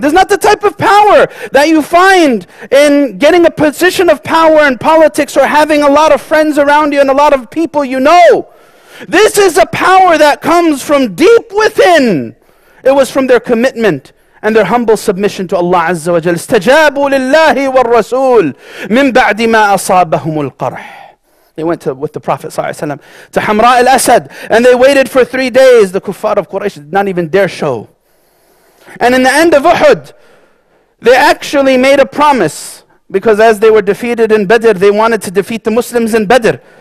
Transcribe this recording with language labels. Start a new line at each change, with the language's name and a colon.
English: This is not the type of power that you find in getting a position of power in politics or having a lot of friends around you and a lot of people you know. This is a power that comes from deep within. It was from their commitment and their humble submission to Allah Azza wa Jalla.
Arabic: استجابوا لله والرسول من بعد ما أصابهم القرح.
English: They went with the Prophet sallallahu alaihi wasallam to Hamra al-Asad, and they waited for 3 days. The kuffar of Quraysh did not even dare show. And in the end of Uhud, they actually made a promise, because as they were defeated in Badr, they wanted to defeat the Muslims in Badr.